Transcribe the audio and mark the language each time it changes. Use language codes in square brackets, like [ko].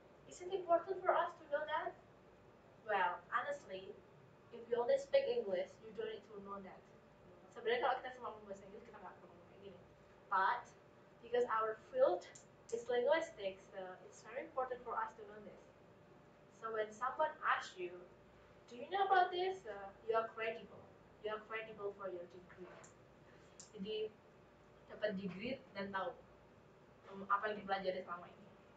[en] Is it important for us to know that? Well, honestly, if you only speak English, you don't need to know that. [id] Sebenarnya kalau kita semua bahasa Inggris, kita nggak perlu kayak gini. [en] But because our field is linguistics, so it's very important for us to know this. So when someone asks you, "Do you know about this?" You are credible. You are credible for your degree. [id] Jadi dapat degree dan tahu apa yang dipelajari selama ini.